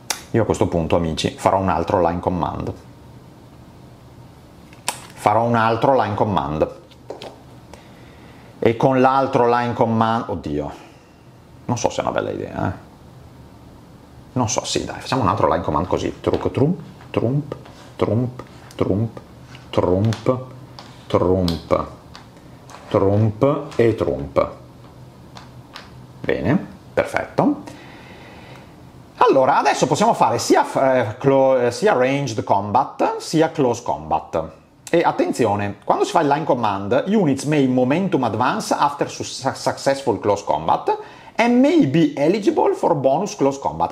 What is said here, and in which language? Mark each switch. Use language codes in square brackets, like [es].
[it] Io a questo punto, amici, farò un altro line command. Farò un altro line command. E con l'altro line command... Oddio. Non so se è una bella idea, Non so, sì, dai. Facciamo un altro line command così. Truc, trump, trump, trump, trump. Trump, trump, trump e trump. Bene, perfetto. Allora, adesso possiamo fare sia ranged combat, sia close combat. E attenzione, quando si fa il line command, [en] units may momentum advance after successful close combat and may be eligible for bonus close combat.